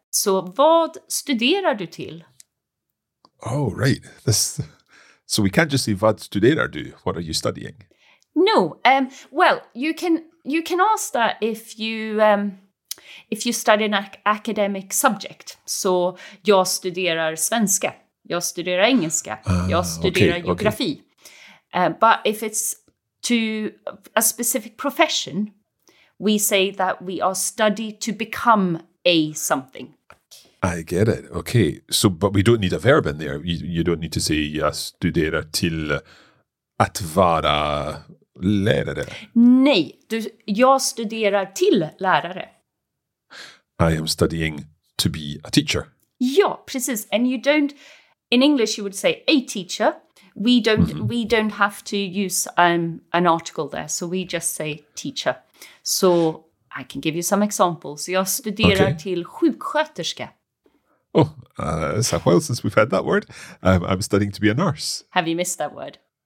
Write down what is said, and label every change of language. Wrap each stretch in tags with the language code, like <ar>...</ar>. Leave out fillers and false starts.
<sv>So vad studerar du till?</sv> <en>Oh, right. So we can't just say</en> <sv>vad studerar du?</sv> <en>What are you studying? No. You can ask that if you study an academic subject.</en> <sv>So jag studerar svenska, jag studerar engelska, jag studerar geografi.</sv> <en>But if it's to a specific profession, we say that we are studied to become a something. I get it. Okay. So, but we don't need a verb in there. You don't need to say</en> <sv>jag studerar till att vara lärare. Nej, jag studerar till lärare.</sv> <en>I am studying to be a teacher.</en> <sv>Ja, precis.</sv> <en>And you don't, in English you would say a teacher. We don't we don't have to use an article there. So we just say teacher. So I can give you some examples.</en> <sv>Jag studerar till sjuksköterska.</sv> <en>Oh, it's a while since we've had that word. I'm studying to be a nurse. Have you missed that word?</en>